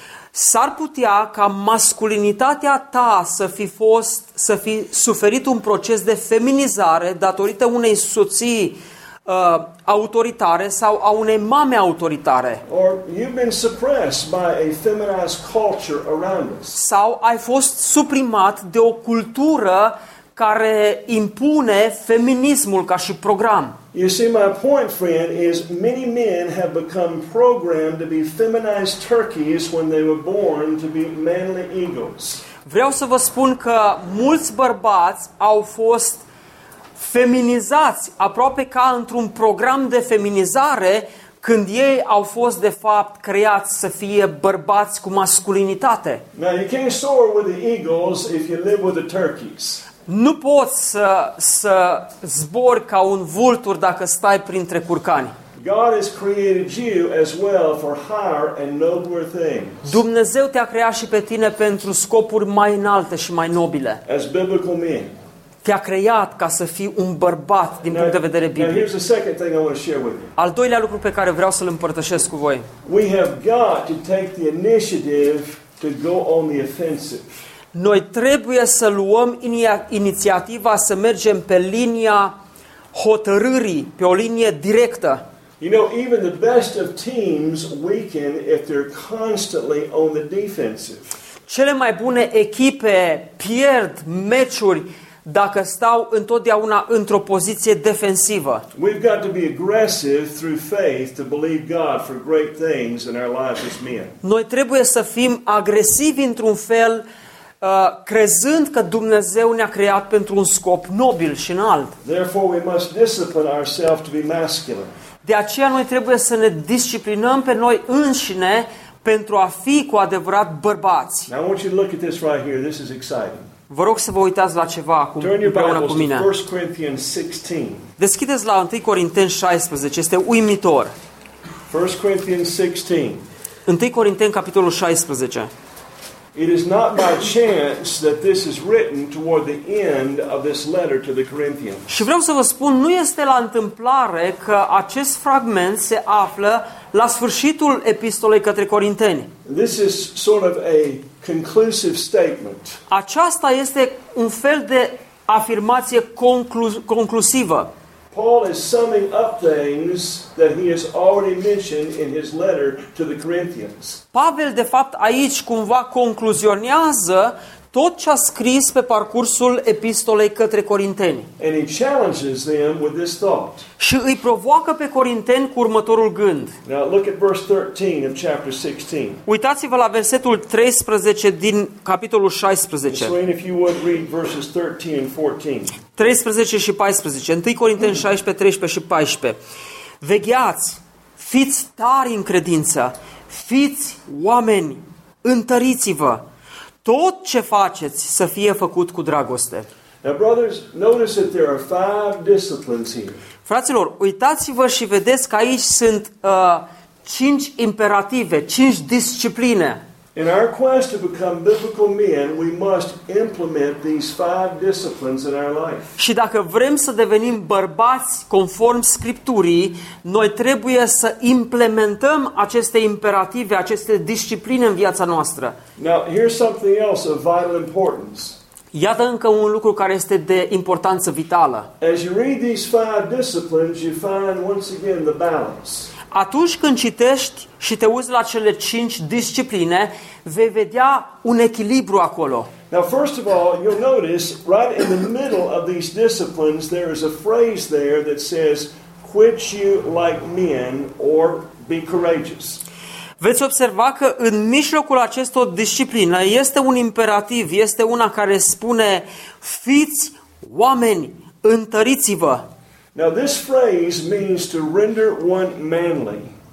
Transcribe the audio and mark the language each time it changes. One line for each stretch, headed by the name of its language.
Romanian: S-ar putea ca masculinitatea ta să fi suferit un proces de feminizare datorită unei soții autoritare sau a unei mame autoritare.
English: Or you've been suppressed by a feminized culture around us.
Romanian: Sau ai fost suprimat de o cultură care impune feminismul ca și program.
English: You see, my point, friend, is many men have become programmed to be feminized turkeys when they were born to be manly eagles.
Romanian: Vreau să vă spun că mulți bărbați au fost feminizați, aproape ca într-un program de feminizare, când ei au fost de fapt creați să fie bărbați cu masculinitate.
English: Now, you can't soar with the eagles if you live with the turkeys.
Romanian: Nu poți să zbori ca un vultur dacă stai printre curcani.
English: God has created you as well for higher and nobler things.
Romanian: Dumnezeu te-a creat și pe tine pentru scopuri mai înalte și mai nobile.
English: As biblical men.
Romanian: Te-a creat ca să fii un bărbat din
English: now,
Romanian: punct de vedere biblic.
English: Here's the second thing I want to share with you.
Romanian: Al doilea lucru pe care vreau să-l împărtășesc cu voi.
English: We have got to take the initiative to go on the offensive.
Romanian: Noi trebuie să luăm inițiativa să mergem pe linia hotărârii, pe o linie directă.
English: You know, even the best of teams weaken if they're constantly on the defensive.
Romanian: Cele mai bune echipe pierd meciuri dacă stau întotdeauna într-o poziție defensivă.
English: We've got to be aggressive through faith to believe God for great things in our lives as men.
Romanian: Noi trebuie să fim agresivi într-un fel, crezând că Dumnezeu ne-a creat pentru un scop nobil și înalt.
English: Therefore we must discipline ourselves to be masculine.
Romanian: De aceea noi trebuie să ne disciplinăm pe noi înșine pentru a fi cu adevărat bărbați.
English: Now I want you to look at this right here. This is exciting.
Romanian: Vă rog să vă uitați la ceva acum împreună cu mine.
English: Turn your Bibles to 1 Corinthians 16.
Romanian: Deschideți la 1 Corinteni 16. Este uimitor.
English: 1 Corinthians 16.
Romanian: 1 Corinteni capitolul 16.
English: It is not by chance that this is written toward the end of this letter to the Corinthians.
Romanian: Și vreau să vă spun, nu este la întâmplare că acest fragment se află la sfârșitul epistolei către Corinteni.
English: This is sort of a conclusive statement.
Romanian: Aceasta este un fel de afirmație conclusivă.
English: Paul is summing up things that he has already mentioned in his letter to the Corinthians.
Romanian: Pavel, de fapt, aici cumva concluzionează tot ce a scris pe parcursul epistolei către Corinteni.
English: And he challenges them with this thought.
Romanian: Și îi provoacă pe Corinteni cu următorul gând.
English: Now look at verse 13 of chapter 16.
Romanian: Uitați-vă la versetul 13 din capitolul 16.
English: So if you would read verses 13 and 14.
Romanian: 13 și 14. 1 Corinteni 16, 13 și 14. Vegheați, fiți tari în credință, fiți oameni, întăriți-vă. Tot ce faceți să fie făcut cu dragoste.
English: Now, brothers, notice that there are five disciplines here.
Romanian: Fraților, uitați-vă și vedeți că aici sunt cinci imperative, cinci discipline.
English: In our quest to become biblical men, we must implement these five disciplines in our life.
Romanian: Și dacă vrem să devenim bărbați conform Scripturii, noi trebuie să implementăm aceste imperative, aceste discipline în viața noastră.
English: Now, here's something else of vital importance.
Romanian: Iată încă un lucru care este de importanță vitală.
English: As you read these five disciplines, you find once again the balance.
Romanian: Atunci când citești și te uiți la cele cinci discipline, vei vedea un echilibru acolo.
English: Now, first of all, you'll notice right in the middle of these disciplines, there is a phrase there that says, quit you like men or be courageous.
Romanian: Veți observa că în mijlocul acestor discipline este un imperativ, este una care spune, fiți oameni, întăriți-vă.
English: Now this phrase means to render one manly.